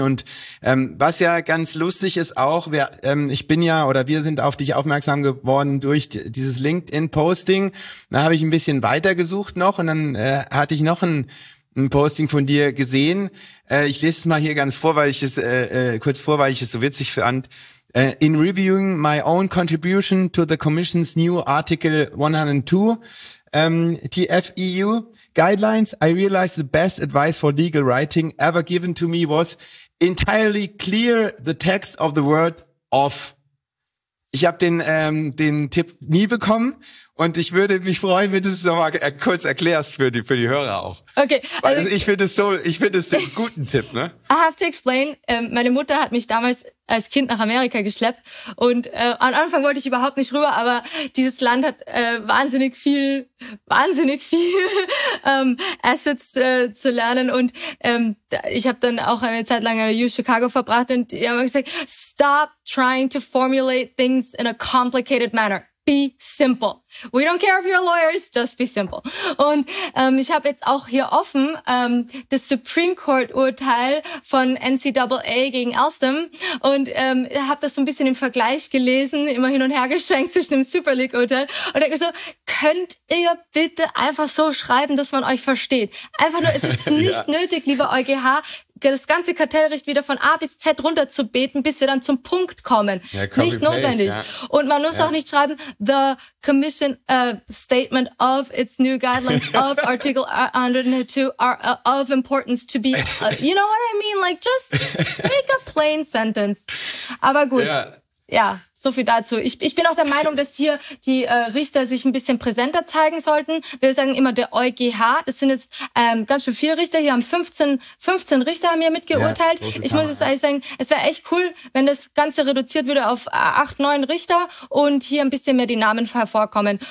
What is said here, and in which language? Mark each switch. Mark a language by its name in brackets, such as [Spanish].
[German] Und was ja ganz lustig ist auch, wir sind auf dich aufmerksam geworden durch dieses LinkedIn-Posting. Da habe ich ein bisschen weitergesucht noch und dann hatte ich noch ein Posting von dir gesehen. Ich lese es mal hier ganz vor, weil ich es so witzig fand. [English] In reviewing my own contribution to the Commission's new Article 102 TFEU guidelines, I realized the best advice for legal writing ever given to me was entirely clear the text of the word off. [German] Ich habe den Tipp nie bekommen und ich würde mich freuen, wenn du es nochmal kurz erklärst für die Hörer auch. Okay. Weil also ich finde es einen guten Tipp, ne? [English] I have to explain. [German] Meine Mutter hat mich damals als Kind nach Amerika geschleppt und am Anfang wollte ich überhaupt nicht rüber, aber dieses Land hat wahnsinnig viel Assets zu lernen und ich habe dann auch eine Zeit lang in U Chicago verbracht und die haben gesagt, [English] stop trying to formulate things in a complicated manner. Be simple. We don't care if you're lawyers, just be simple. [German] Und ich habe jetzt auch hier offen das Supreme Court Urteil von NCAA gegen Alstom und habe das so ein bisschen im Vergleich gelesen, immer hin und her geschwenkt zwischen dem Super League Urteil und denke so, könnt ihr bitte einfach so schreiben, dass man euch versteht? Einfach nur, es ist nicht ja. nötig, lieber EuGH, das ganze Kartellrecht wieder von A bis Z runter zu beten, bis wir dann zum Punkt kommen. Ja, nicht notwendig. Ja. Und man muss auch nicht schreiben, [English] the Commission statement of its new guidelines of Article 102 are of importance to be, you know what I mean? Like, just make a plain sentence. [German] Aber gut. Ja, so viel dazu. Ich bin auch der Meinung, dass hier die Richter sich ein bisschen präsenter zeigen sollten. Wir sagen immer der EuGH. Das sind jetzt ganz schön viele Richter. Hier haben 15 Richter haben hier mitgeurteilt. Ja, so viel ehrlich sagen, es wäre echt cool, wenn das Ganze reduziert würde auf 8, 9 Richter und hier ein bisschen mehr die Namen hervorkommen.